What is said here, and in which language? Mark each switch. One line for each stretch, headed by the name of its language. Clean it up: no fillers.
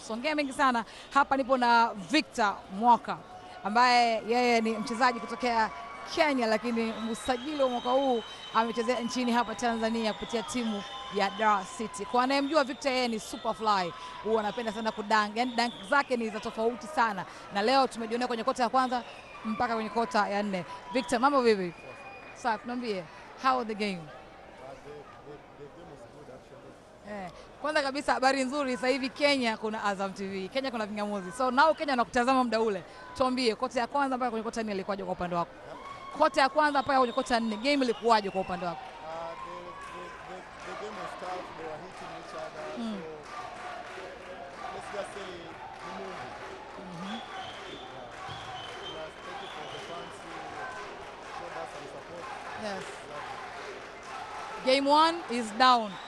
Swahili: So ngea mingi sana. Hapa nipo na Victor Mwaka ambaye yeye ni mchezaji kutokea Kenya lakini msajili wa mwaka huu amechezea nchini hapa Tanzania kupitia timu ya Dar City. Kwa anayemjua Victor yeye ni superfly, huwa anapenda sana kudang. Yaani dunk zake ni za tofauti sana. Na leo tumejionea kwenye kota ya kwanza mpaka kwenye kota ya nne. Victor, mambo vipi? Sawa, tunambie.
English: How the game? The game is good actually.
Swahili: Kwanza kabisa habari nzuri, sasa hivi Kenya kuna Azam TV. Kenya kuna vingamuzi. So now Kenya anakutazama muda ule. Tuambie kota ya kwanza mpaka kwenye kota ya nne ilikuwaje kwa upande wako? Kota ya kwanza pa ya kota nne, game ilikuwaje kwa upande wako?
English: The game was tough, they were hitting each other, so let's just say the movie. Yeah. Thank you for the fans who showed us some support. Yes. Game one is down.